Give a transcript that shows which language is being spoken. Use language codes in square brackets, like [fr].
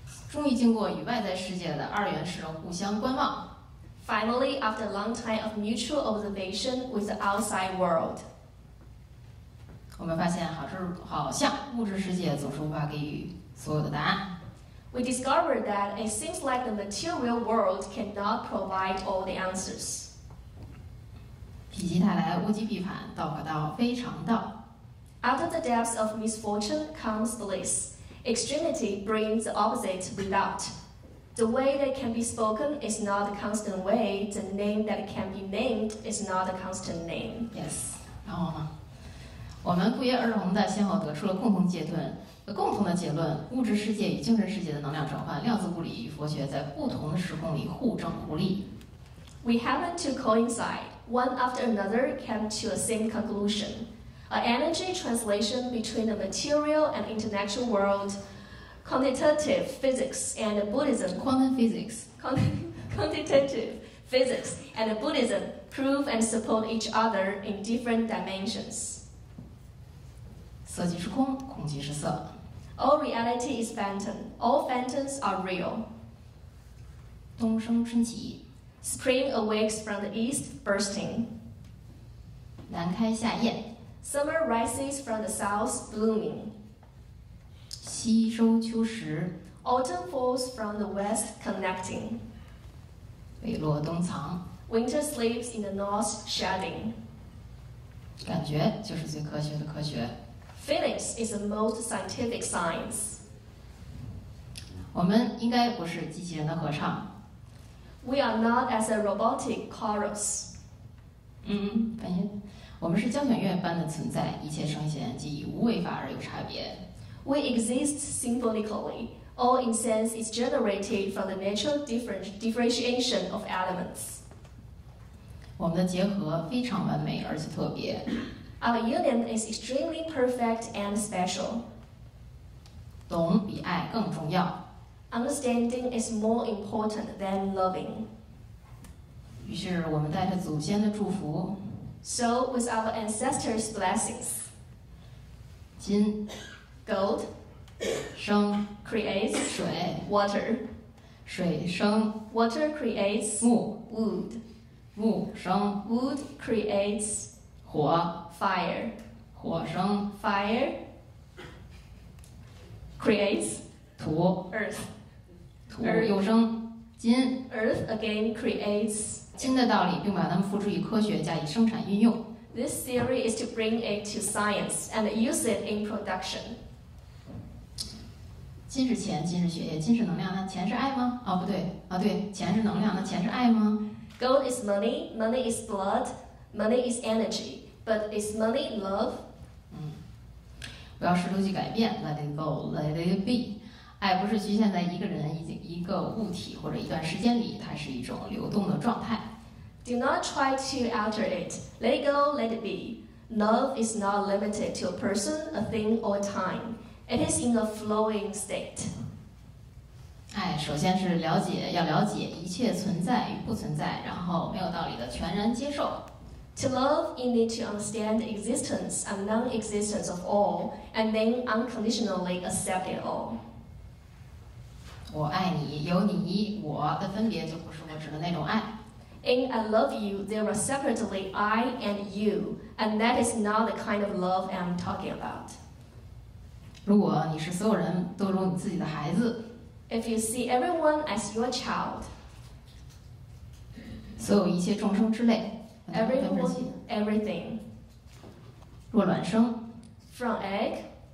[zh] 终于经过与外在世界的二元时互相观望 [en] ，finally after a long time of mutual observation with the outside world。 [zh] 我们发现好像物质世界总是无法给予所有的答案。 [en] We discovered that it seems like the material world cannot provide all the answers. [zh] 否极泰来，物极必反，道可道，非常道。 [en] After the depths of misfortune comes bliss. Extremity brings the opposite without. The way that can be spoken is not the constant way. The name that can be named is not the constant name. Yes. [zh] 然后呢？我们不约而同的先后得出了共同的结论，物质世界与精神世界的能量转换，量子物理与佛学在不同的时空里互争互利。 [en] We happened to coincide, one after another came to a same conclusion, an energy translation between the material and intellectual world, quantitative physics and Buddhism. Quantum physics. Quantitative physics and Buddhism prove and support each other in different dimensions. [zh] 色即是空，空即是色。 [en] All reality is phantom. All phantoms are real. [zh] 东升春起。 [en] Spring awakes from the east, bursting. [zh] 南开夏艳。 [en] Summer rises from the south, blooming. [zh] 西收秋实。 [en] Autumn falls from the west, connecting. [zh] 北落东藏。 [en] Winter sleeps in the north, shedding. [zh] 感觉就是最科学的科学。 [en] Feelings is the most scientific science. [zh] 我们应该不是机器人的合唱。 [en] We are not as a robotic chorus. [zh] 反应。我们是交响乐般的存在，一切声弦即以无为法而有差别。 [en] We exist symphonically. All in sense is generated from the natural differentiation of elements. [zh] 我们的结合非常完美而且特别。 [en] Our union is extremely perfect and special. [zh] 懂比爱更重要。 [en] Understanding is more important than loving. [zh] 于是我们带着祖先的祝福。 [en] So with our ancestors' blessings. [zh] 金 [en] Gold [zh] 生 [en] Creates [zh] 水 [en] Water [zh] 水生 [en] Water creates [zh] 木 [en] Wood [zh] 木生 [en] Wood creates [zh] 火 [en] Fire, [zh] 火生 [en] Fire creates [zh] 土 [en] Earth, [zh] 土又生金 [en] Earth again creates [zh] 金的道理，并把它们付诸于科学加以生产运用。 [en] This theory is to bring it to science and use it in production. [zh] 金是钱，金是血液，金是能量，那钱是爱吗？对，钱是能量，那钱是爱吗 [en] ？Gold is money, money is blood, money is energy. But is money love? [zh] 不要试图去改变 [en] ，Let it go, let it be. [zh] 爱不是局限在一个人、一个物体或者一段时间里，它是一种流动的状态。 [en] Do not try to alter it. Let it go, let it be. Love is not limited to a person, a thing, or time. It is in a flowing state. [zh] 爱首先是要了解一切存在与不存在，然后没有道理的全然接受。 [en] To love, you need to understand the existence and non-existence of all, and then unconditionally accept it all. [zh] 我爱你，有你，我的分别就不是我指的那种爱。 [en] In I love you, there are separately I and you, and that is not the kind of love I'm talking about. [zh] 如果你是所有人都如你自己的孩子 [en] ，If you see everyone as your child, [zh] 所有一切众生之类。 [en] Everything. [zh] 不卵生 [en] from egg